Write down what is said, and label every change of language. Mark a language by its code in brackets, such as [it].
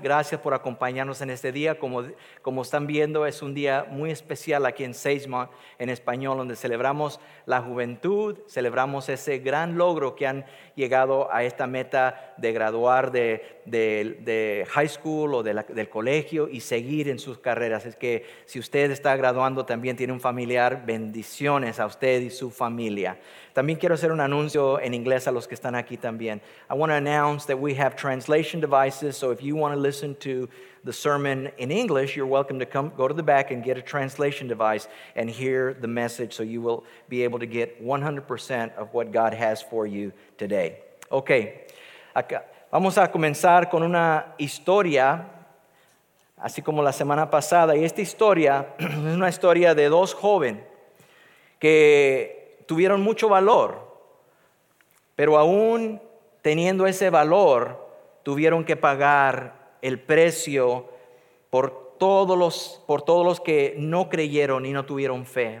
[es] Gracias por acompañarnos en este día. Como están viendo, es un día muy especial aquí en Sagemont en español, donde celebramos la juventud, celebramos ese gran logro que han llegado a esta meta de graduar de high school o del colegio y seguir en sus carreras. Es que si usted está graduando, también tiene un familiar, bendiciones a usted y su familia. También quiero hacer un anuncio en inglés a los que están aquí también. [en] I want to announce that we have translation devices, so if you want to listen to the sermon in English, you're welcome to come go to the back and get a translation device and hear the message so you will be able to get 100% of what God has for you today. [es] Okay, vamos a comenzar con una historia, así como la semana pasada, y esta historia es una historia de dos jóvenes que tuvieron mucho valor, pero aún teniendo ese valor, tuvieron que pagar el precio por todos los que no creyeron y no tuvieron fe.